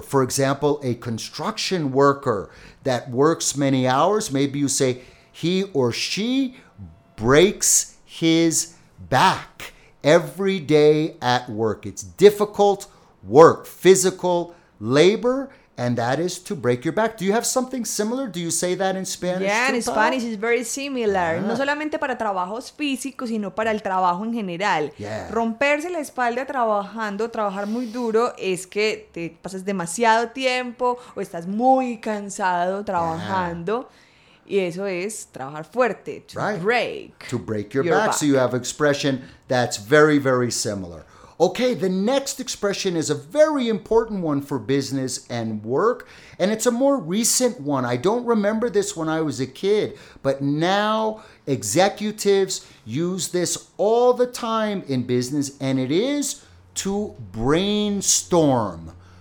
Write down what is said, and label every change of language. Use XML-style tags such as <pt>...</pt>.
<en>For example, a construction worker that works many hours, maybe you say he or she breaks his back every day at work. It's difficult work, physical labor, and that is to break your back. Do you have something similar? Do you say that in Spanish? Yeah, in Spanish it's very similar.</en> <es>Ah. No solamente para trabajos físicos, sino para el trabajo en general.</es> <en>Yeah.</en> <es>Romperse la espalda trabajando, trabajar muy duro, es que te pasas demasiado tiempo o estás muy cansado trabajando. Yeah. Y eso es trabajar fuerte. To</es> <en>right. Break. To break your back. So you have expression that's very, very similar. Okay, the next expression is a very important one for business and work, and it's a more recent one. I don't remember this when I was a kid, but now executives use this all the time in business, and it is to brainstorm.</en>